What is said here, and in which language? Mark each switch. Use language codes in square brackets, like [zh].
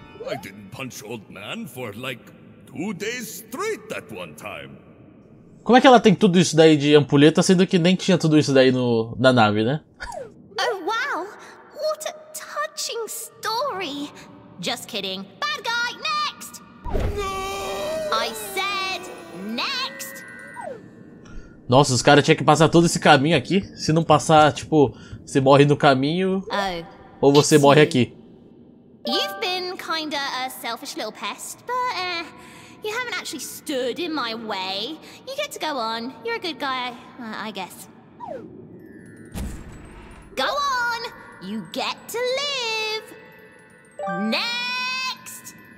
[en] I didn't punch old man for like 2 days straight that one time. [pt] Como é que ela tem tudo isso daí de ampulheta, sendo que nem tinha tudo isso daí no, na nave, né? [en] Oh wow, what a touching story. Just kidding. Bad guy, next. I said next. [pt] Nossa, os caras tinham que passar todo esse caminho aqui. Se não passar, tipo, você morre no caminho. Oh, ou você morre aqui. [en] You've been kinda a selfish little pest, but you haven't actually stood in my way. You get to go on. You're a good guy, I guess. Go on. You get to live. Next.